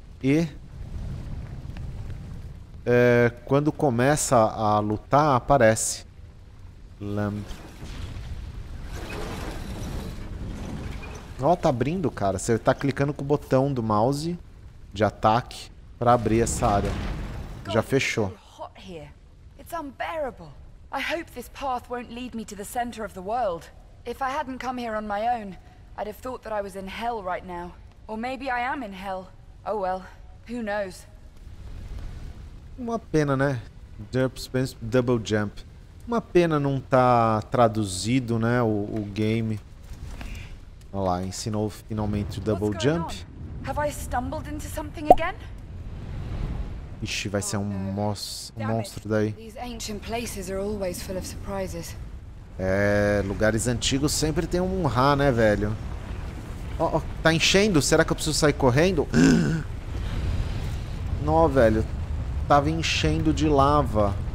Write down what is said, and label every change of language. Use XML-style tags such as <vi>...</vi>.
<pt>E é, quando começa a lutar, aparece. Lamb. Ó, tá abrindo, cara. Você tá clicando com o botão do mouse de ataque pra abrir essa área. Já fechou.</pt> <en>Here. It's unbearable. I hope this path won't lead me to the center of the world. If I hadn't come here on my own, I'd have thought that I was in hell right now. Or maybe I am in hell. Oh well, who knows?</en> <pt>Uma pena, né? Double jump. Uma pena não tá traduzido, né, o game. Olha lá, ensinou finalmente o double jump.</pt> <en>Have I stumbled into something again?</en> <pt>Ixi, vai ser um monstro daí.</pt> <en>These ancient places are always full of surprises.</en> <pt>É, lugares antigos sempre tem um ra, né, velho? Oh, tá enchendo? Será que eu preciso sair correndo? Não, velho. Tava enchendo de lava.</pt>